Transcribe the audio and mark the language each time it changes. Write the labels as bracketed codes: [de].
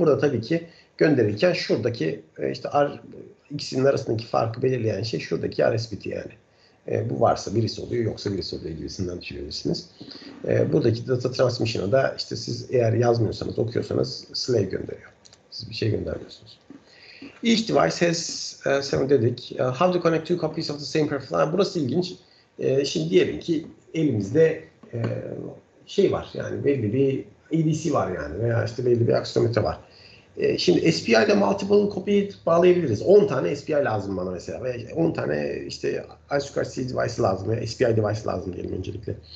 [tr] Burada tabii ki gönderirken şuradaki işte ikisinin arasındaki farkı belirleyen şey şuradaki RSBT yani. Bu varsa birisi oluyor yoksa birisi oluyor gibisinden düşünebilirsiniz. Buradaki data transmission'a da işte siz eğer yazmıyorsanız, okuyorsanız slave gönderiyor. Siz bir şey göndermiyorsunuz. [en] Each device has, dedik, how to connect two copies of the same profile. [tr] Burası ilginç. Şimdi diyelim ki elimizde şey var yani belli bir EDC var yani veya işte belli bir aksiyometre var. Şimdi SPI ile multiple copy bağlayabiliriz. 10 tane SPI lazım bana mesela. Veya 10 tane işte I2C device lazım veya SPI device lazım diyelim öncelikle.